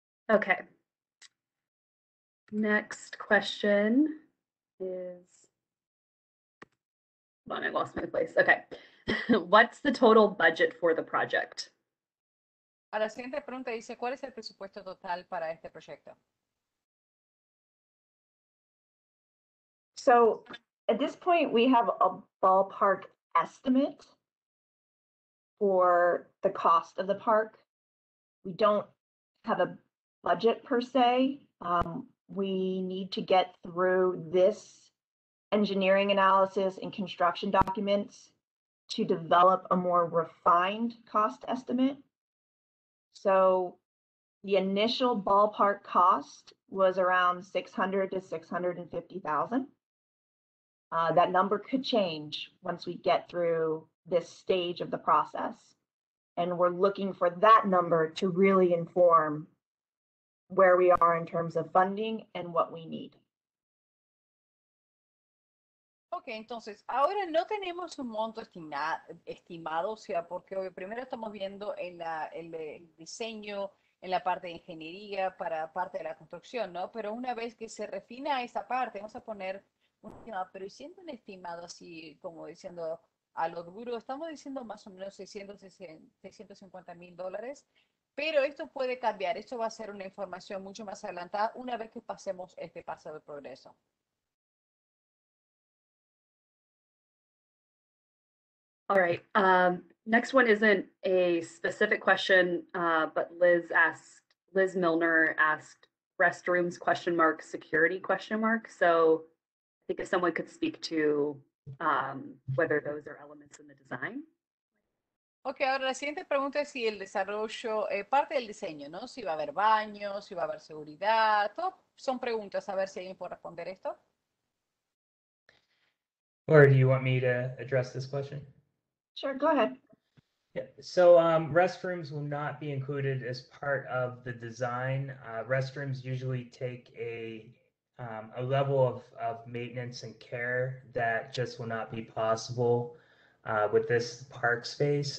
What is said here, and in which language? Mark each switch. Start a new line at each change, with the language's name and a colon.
English: Okay. Next question is, hold on, I lost my place. Okay. What's the total budget for the project?
Spanish: A la siguiente pregunta dice, ¿cuál es el presupuesto total para este proyecto?
English: So, at this point, we have a ballpark estimate for the cost of the park. We don't have a budget per se. We need to get through this engineering analysis and construction documents to develop a more refined cost estimate. So the initial ballpark cost was around $600,000 to $650,000. That number could change once we get through this stage of the process. And we're looking for that number to really inform where we are in terms of funding and what we need.
Spanish: Okay, entonces, ahora no tenemos un monto estimado, o sea, porque hoy primero estamos viendo en el diseño, en la parte de ingeniería, para parte de la construcción, ¿no? Pero una vez que se refina esa parte, vamos a poner un estimado, pero siendo un estimado así, como diciendo, a lo duro, estamos diciendo más o menos 650 mil dólares, pero esto puede cambiar. Esto va a ser una información mucho más adelantada una vez que pasemos este paso de progreso.
English: All right. Next one isn't a specific question, but Liz Milner asked restrooms question mark, security question mark. So I think if someone could speak to whether those are elements in the design.
Spanish: Okay, ahora la siguiente pregunta es si el desarrollo, parte del diseño, ¿no? Si va a haber baños, si va a haber seguridad, todo son preguntas, a ver si alguien puede responder esto.
English: Or do you want me to address this question? Sure, go ahead. Yeah, so restrooms will not be included as part of the design. Restrooms usually take a level of maintenance and care that just will not be possible with this park space.